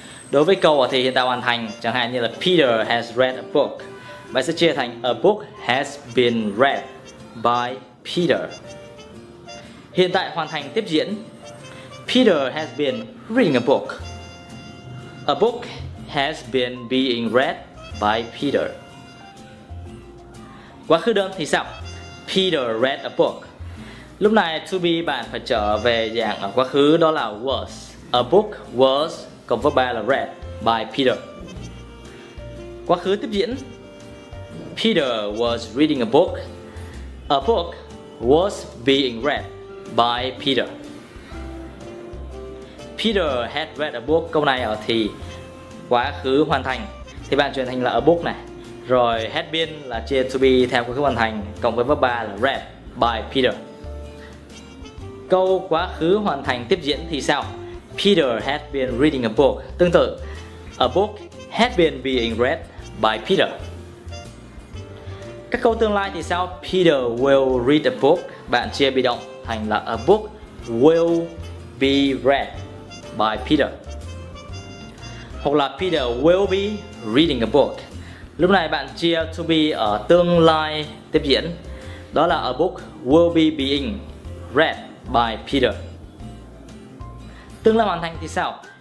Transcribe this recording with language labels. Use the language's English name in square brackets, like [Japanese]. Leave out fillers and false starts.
[Vietnamese] Đối với câu thì hiện tại hoàn thành, chẳng hạn như là [English] Peter has read a book, [Vietnamese] bạn sẽ chia thành [English] a book has been read by Peter. [Vietnamese] Hiện tại hoàn thành tiếp diễn, [English] Peter has been reading a book. A book has been being read by Peter. [Vietnamese] Quá khứ đơn thì sao? [English] Peter read a book. [Vietnamese] Lúc này to be bạn phải trở về dạng ở quá khứ, đó là was. [English] A book was [Vietnamese] cộng với 3 là [English] read by Peter. [Vietnamese] Quá khứ tiếp diễn, [English] Peter was reading a book. A book was being read by Peter. Peter had read a book. [Vietnamese] Câu này ở thì quá khứ hoàn thành thì bạn chuyển thành là [English] a book [Vietnamese] này. Rồi had been là chia to be theo quá khứ hoàn thành, cộng với verb 3 là [English] read by Peter. [Vietnamese] Câu quá khứ hoàn thành tiếp diễn thì sao? [English] Peter had been reading a book. [Vietnamese] Tương tự, [English] a book had been being read by Peter. [Vietnamese] Các câu tương lai thì sao? [English] Peter will read a book. [Vietnamese] Bạn chia bị động thành là [English] a book will be read by Peter. [Vietnamese] Hoặc là [English] Peter will be reading a book. [Vietnamese] Lúc này bạn chia to be ở tương lai tiếp diễn, đó là [English] a book will be being read by Peter. [Vietnamese] Tương lai hoàn thành thì sao?